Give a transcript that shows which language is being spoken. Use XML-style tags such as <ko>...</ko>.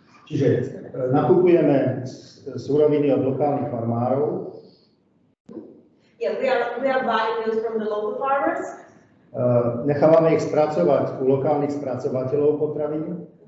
<sk>Čiže nakupujeme suroviny od lokálnych farmárov.</sk> <en>Yeah, we are buying those from the local farmers.</en> <sk>Nechávame ich spracovať u lokálnych spracovateľov potravín.</sk>